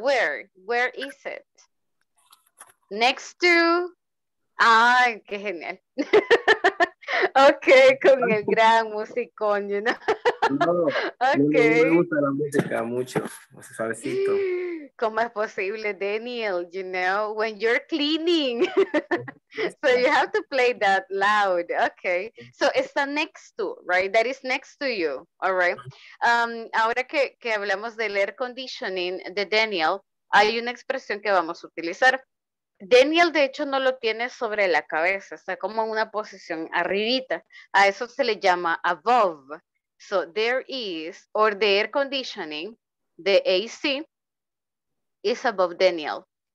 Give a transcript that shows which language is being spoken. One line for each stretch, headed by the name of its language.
English: Where is it? Next to...
Spanish: ¡Ay, qué genial! Ok, con el gran musicón,
English: you know? No, okay.
Spanish: No me gusta la música mucho, o sea, suavecito. ¿Cómo es posible,
English: Daniel, you know, when you're cleaning? So you have to play that loud, okay. So it's the next to, right? That is next to you, all right?
Spanish: Ahora que hablamos del air conditioning de Daniel, hay una expresión que vamos a utilizar. Daniel, de hecho, no lo tiene sobre la cabeza, está como en una posición arribita. A eso se le llama above.
English: So, there is, or the air conditioning, the AC, is above Daniel.